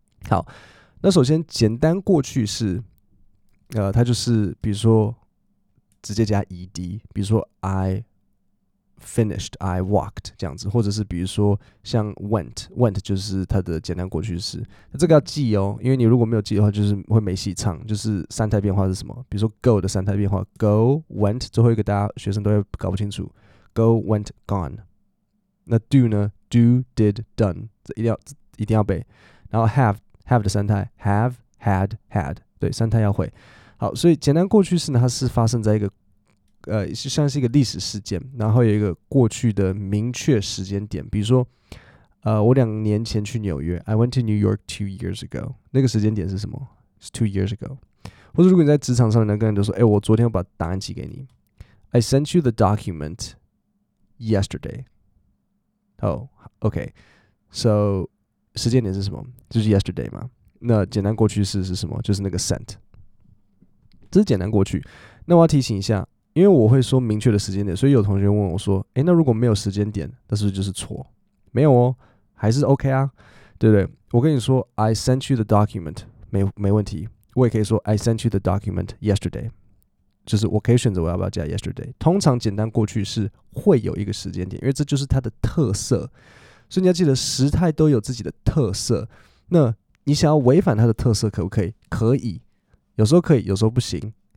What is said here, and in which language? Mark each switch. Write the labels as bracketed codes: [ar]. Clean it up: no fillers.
[zh] 好，那首先简单过去式它就是比如说直接加 ed， 比如说 [en] I finished, I walked [zh] 这样子，或者是比如说像 went 就是它的简单过去式，那这个要记哦，因为你如果没有记的话，就是会没戏唱。就是三态变化是什么？比如说 go 的三态变化 ，go went 最后一个大家学生都会搞不清楚 ，go went gone。那 do 呢 ？do did done， 这一定要背。然后 have 的三态 ，have had had， 对，三态要会。好，所以简单过去式呢，它是发生在一个就像是一个历史事件，然后有一个过去的明确时间点，比如说我两年前去纽约， [en] I went to New York 2 years ago， [zh] 那个时间点是什么？是 2 years ago。或者如果你在职场上面跟人都说，我昨天我把答案寄给你， [en] I sent you the document yesterday。 [zh] So 时间点是什么？就是 yesterday 嘛。那简单过去式是什么？就是那个 sent， 这是简单过去。那我要提醒一下，因为我会说明确的时间点，所以有同学问我说，那如果没有时间点，那是不是就是错？没有哦，还是 OK 啊，对不对？我跟你说 [en] I sent you the document， [zh] 没问题。我也可以说 [en] I sent you the document yesterday， [zh] 就是我可以选择我要不要加 yesterday。通常简单过去是会有一个时间点，因为这就是它的特色，所以你要记得时态都有自己的特色。那你想要违反它的特色可不可以？可以，有时候可以，有时候不行。